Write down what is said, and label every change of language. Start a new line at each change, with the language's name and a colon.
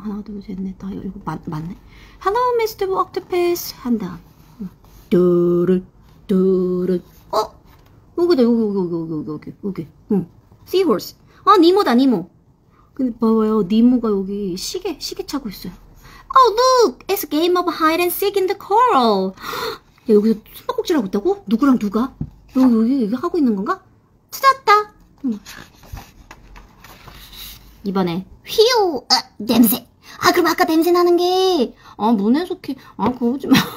Korean: 하나, 둘, 셋, 넷, 다, 여, 일곱, 맞네?
English: Hello, Mr. Octopus.
Korean: 한 다음.
English: 뚜루, 뚜루.
Korean: 여기다, 여기. 응. Seahorse. 아, 니모다, 니모. 근데 봐봐요. 니모가 여기 시계 차고 있어요.
English: Oh, look! It's a game of hide and seek in the coral.
Korean: 야, 여기서 숨바꼭질 하고 있다고? 누구랑 누가? 여기 하고 있는 건가? 찾았다! 이번에, 휘우! 냄새! 아, 그럼 아까 냄새 나는 게, 아, 문에 속해. 아, 그러지 마.